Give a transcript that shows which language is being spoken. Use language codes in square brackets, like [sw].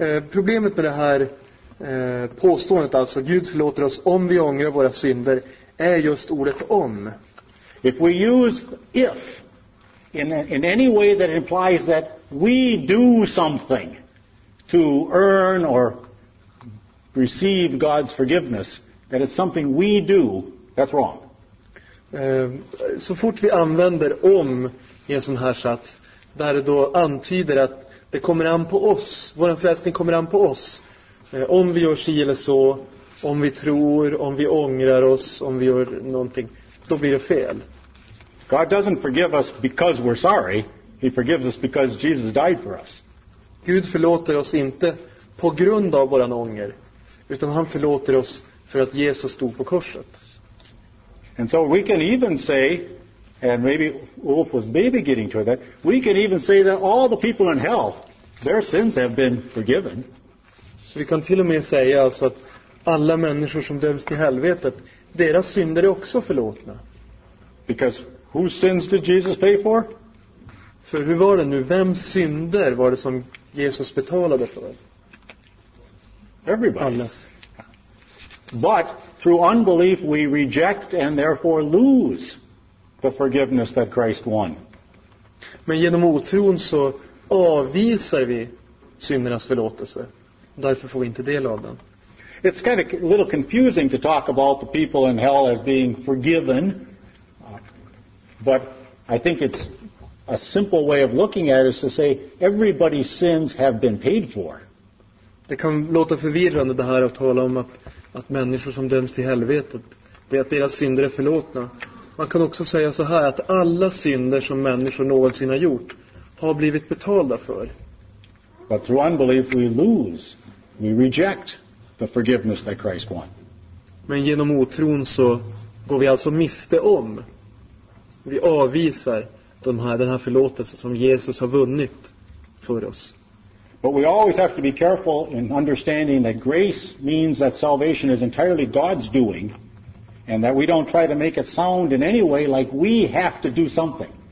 [sv] Problemet med det här påståendet, alltså Gud förlåter oss om vi ångrar våra synder, är just ordet om. [en] If we use if in any way that implies that we do something to earn or receive God's forgiveness, that it's something we do, that's wrong. [sv] Så fort vi använder om i en sån här sats, där det då antyder att det kommer an på oss, vår frälsning kommer an på oss, om vi gör si eller så, om vi tror, om vi ångrar oss, om vi gör någonting, då blir det fel. [en] God doesn't forgive us because we're sorry. He forgives us because Jesus died for us. [sv] Gud förlåter oss inte på grund av våran ånger, utan han förlåter oss för att Jesus stod på korset. [en] And so we can even say, and maybe Ulf was maybe getting to that, we can even say that all the people in hell, their sins have been forgiven. [sv] Så vi kan till och med säga alltså att alla människor som döms till helvetet, deras synder är också förlåtna. [en] Because whose sins did Jesus pay for? [sv] För hur var det nu? Vems synder var det som Jesus betalade för? [en] Everybody. [sv] Allas. [en] But through unbelief we reject and therefore lose the forgiveness that Christ won. [sv] Men genom otron så avvisar vi syndernas förlåtelse. Därför får vi inte del av den. [en] It's kind of a little confusing to talk about the people in hell as being forgiven. But I think it's a simple way of looking at it is to say everybody's sins have been paid for. [sv] Det kan låta förvirrande det här att tala om att människor som döms till helvetet, det är att deras synder är förlåtna. Man kan också säga så här att alla synder som människor någonsin har gjort har blivit betalda för. [en] But through unbelief we lose, we reject the forgiveness that Christ won. [sv] Men genom otron så går vi alltså miste om. Vi avvisar den här förlåtelsen som Jesus har vunnit för oss. [en] But we always have to be careful in understanding that grace means that salvation is entirely God's doing, and that we don't try to make it sound in any way like we have to do something.